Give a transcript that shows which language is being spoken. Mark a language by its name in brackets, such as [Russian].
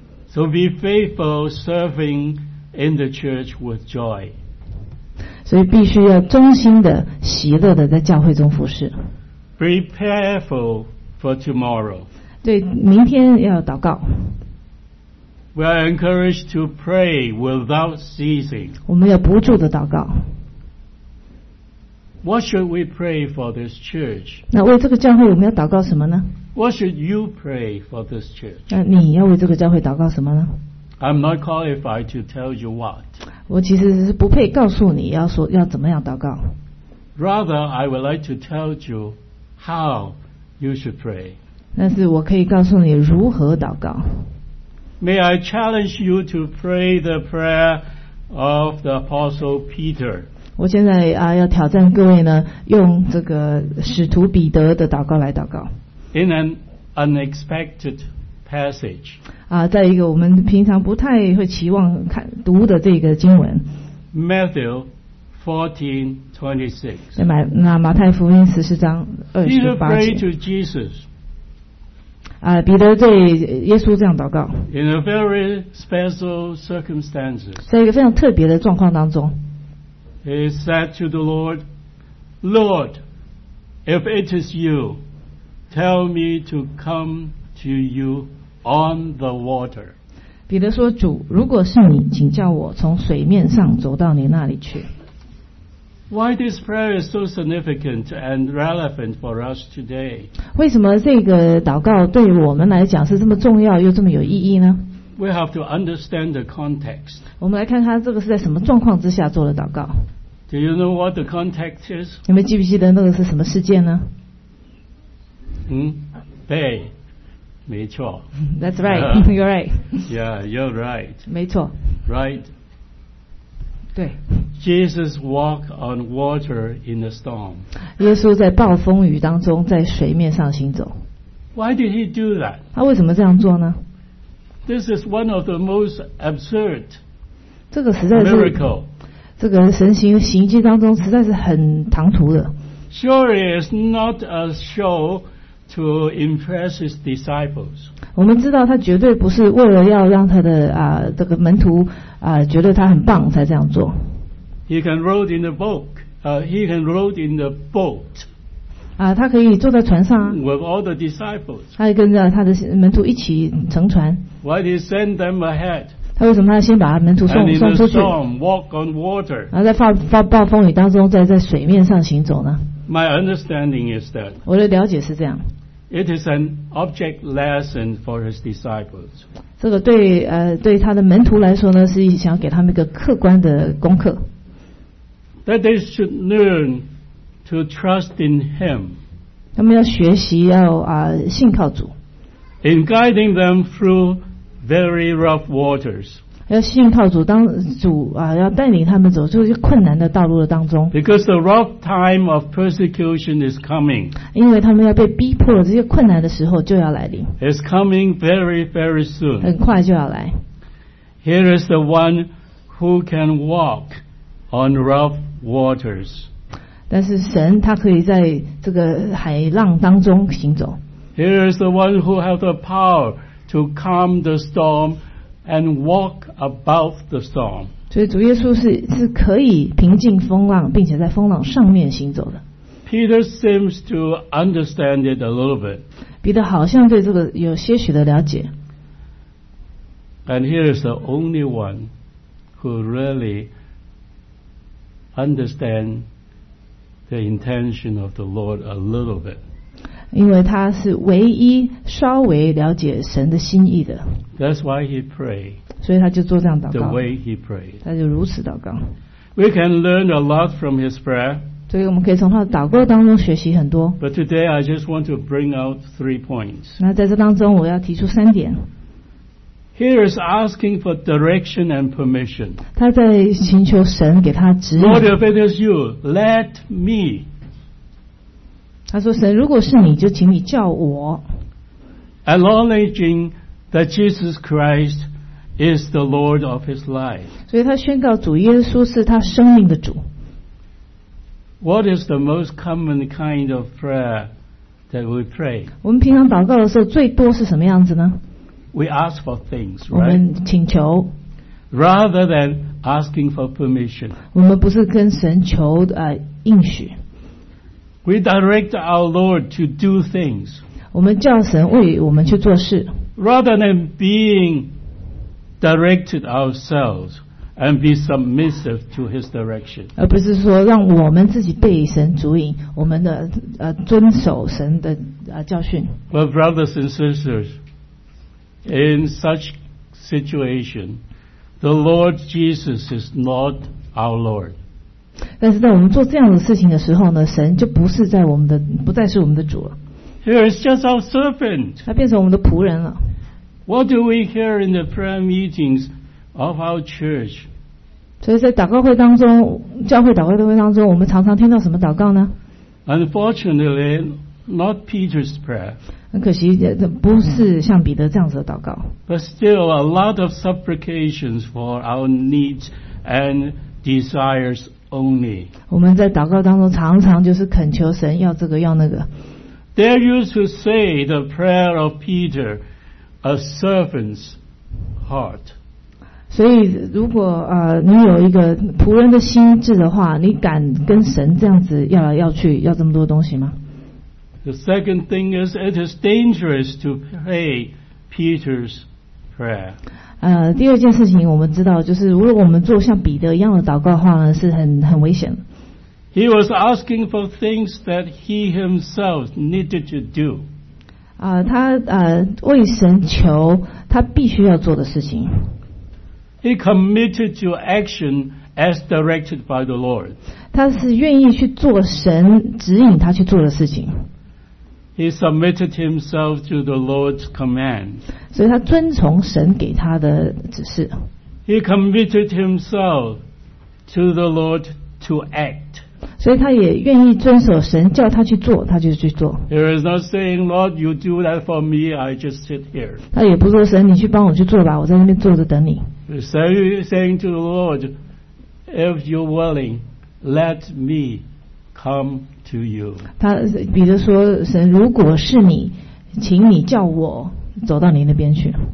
[English] So be faithful serving in the church with joy. [Chinese] 所以必须要忠心的、喜乐的在教会中服事。 [English] Prepare for tomorrow. [Chinese] 对，明天要祷告。 [English] We are encouraged to pray without ceasing. [Chinese] 我们要不住的祷告。 [English] What should we pray for this church? [Chinese] 那为这个教会我们要祷告什么呢？ [English] What should you pray for this church? [Chinese] 那你要为这个教会祷告什么呢？ [English] I'm not qualified to tell you what. [Chinese] 我其实是不配告诉你要怎么样祷告。 [English] Rather, I would like to tell you how you should pray. [Chinese] 但是我可以告诉你如何祷告。 [English] May I challenge you to pray the prayer of the Apostle Peter? [Chinese] 我现在要挑战各位呢，用这个使徒彼得的祷告来祷告。 [English] In an unexpected passage. [Chinese] 在一个我们平常不太会期望看读的这个经文。 [English] Matthew 14:26. [Chinese] 马太福音十四章二十八节。 [English] Peter prayed to Jesus. [Chinese] 彼得对耶稣这样祷告。 [English] In a very special circumstances. [Chinese] 在一个非常特别的状况当中。 [English] He said to the Lord, Lord, if it is you, tell me to come to you on the water. [Chinese] 彼得说，主，如果是你，请叫我从水面上走到你那里去。 [English] Why this prayer is so significant and relevant for us today? [Chinese] 为什么这个祷告对我们来讲是这么重要又这么有意义呢？ [English] We have to understand the context. [Chinese] 我们来看他这个是在什么状况之下做的祷告。 [English] Do you know what the context is? [Chinese] 你们记不记得那个是什么事件呢？对，没错。 [English] That's right. You're right. Yeah, you're right. [Chinese] 没错。 [English] Right. [Chinese] 对。 [English] Jesus walked on water in a storm. [Chinese] 耶稣在暴风雨当中在水面上行走。 [English] Why did he do that? [Chinese] 他为什么这样做呢？ [English] This is one of the most absurd miracle. [Chinese] 这个实在是这个神行行迹当中实在是很唐突的。 [English] Surely it's not a show to impress his disciples. [Chinese] 我们知道他绝对不是为了要让他的这个门徒觉得他很棒才这样做。 [English] He can row in the boat. He can row in the boat. [Chinese] 他可以坐在船上。 [English] With all the disciples. [Chinese] 他跟着他的门徒一起乘船。 [English] Why did he send them ahead? [Chinese] 他为什么要先把门徒送出去？ [English] Storm, walk on water. [Chinese] 然后在暴风雨当中在水面上行走呢？ [English] My understanding is that [Chinese] 我的了解是这样。 [English] It is an object lesson for his disciples. [Chinese] 这个对他的门徒来说呢，是想要给他们一个客观的功课。 [English] That they should learn to trust in him. [Chinese] 他们要学习要信靠主。 [English] In guiding them through very rough waters. [Chinese] 要信靠主，当主要带领他们走出困难的道路的当中。 [English] Because the rough time of persecution is coming. [Chinese] 因为他们要被逼迫了，这些困难的时候就要来临。 [English] It's coming very, very soon. [Chinese] 很快就要来。 [English] Here is the one who can walk on rough waters. [Chinese] 但是神他可以在这个海浪当中行走。 [English] Here is the one who has the power to calm the storm and walk above the storm. [Chinese] 所以主耶稣是可以平静风浪，并且在风浪上面行走的。 [English] Peter seems to understand it a little bit. [Chinese] 彼得好像对这个有些许的了解。 [English] And here is the only one who really understands the intention of the Lord a little bit. [Chinese] 因为他是唯一稍微了解神的心意的。 [English] That's why he prayed. [Chinese] 所以他就做这样祷告。 [English] The way he prayed. [Chinese] 他就如此祷告。 [English] We can learn a lot from his prayer. [Chinese] 所以我们可以从他的祷告当中学习很多。 [English] But today I just want to bring out three points. [Chinese] 那在这当中我要提出三点。 [English] Here is asking for direction and permission. [Chinese] 他在寻求神给他指引。 [English] Lord, if it is you, let me. [Chinese] 他说神如果是你就请你叫我 [English] acknowledging that Jesus Christ is the Lord of his life [Chinese] 所以他宣告主耶稣是他生命的主 [English] What is the most common kind of prayer that we pray? [Chinese] 我们平常祷告的时候最多是什么样子呢 [English] We ask for things, right? [Chinese] 我们请求 [English] Rather than asking for permission [Chinese] 我们不是跟神求应许 [English] We direct our Lord to do things. [Chinese] 我们叫神为我们去做事。 [English] Rather than being directed ourselves and be submissive to His direction. [Chinese] 而不是说让我们自己被神主引，我们的遵守神的教训。 [English] But brothers and sisters, in such situation, the Lord Jesus is not our Lord. [Chinese] 但是在我们做这样的事情的时候呢，神就不再是我们的主了。 [English] He is just our servant. [Chinese] 他变成我们的仆人了。 [English] What do we hear in the prayer meetings of our church? [Chinese] 所以在祷告会当中，教会祷告会当中，我们常常听到什么祷告呢 [English] ？Unfortunately, Not Peter's prayer. [Chinese] 可惜不是像彼得这样子的祷告。 [English] But still a lot of supplications for our needs and desires only. [Chinese] 我们在祷告当中常常就是恳求神要这个要那个。 [English] They used to say the prayer of Peter, a servant's heart. [Chinese] 所以如果你有一个仆人的心智的话，你敢跟神这样子要来要去，要这么多东西吗？ [English] The second thing is it is dangerous to pray Peter's prayer. [Chinese] 第二件事情我们知道就是如果我们做像彼得一样的祷告的话呢是很危险的。 [English] He was asking for things that he himself needed to do. [Chinese] 他为神求他必须要做的事情。 [English] He committed to action as directed by the Lord. [Chinese] 他是愿意去做神指引他去做的事情。 [English] He submitted himself to the Lord's command. [Chinese] 所以他遵从神给他的指示。 [English] He committed himself to the Lord to act. [Chinese] 所以他也愿意遵守神叫他去做，他就去做。 [English] He is not saying, Lord, you do that for me, I just sit here. [Chinese] 他也不说神，你去帮我去做吧，我在那边坐着等你。 [English] He is saying to the Lord, if you're willing, let me come. [Chinese] 他彼得说神如果是你请你叫我走到你那边去